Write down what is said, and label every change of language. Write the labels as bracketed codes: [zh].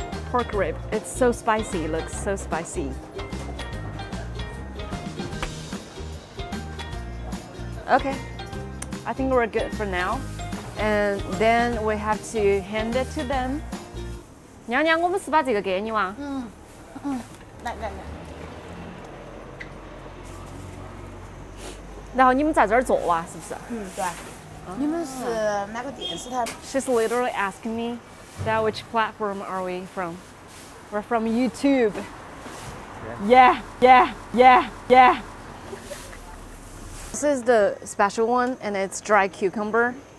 [en] Pork rib, it's so spicy, it looks so spicy. Okay, I think we're good for now. And then we have to hand it to them. [zh] 娘娘，我们是把这个给你哇。嗯，来来来。然后你们在这儿坐哇，是不是？嗯，对。你们是哪个电视台 [en] ？She's literally asking me that which platform are we from? We're from YouTube. Yeah. This is the special one, and it's dry cucumber.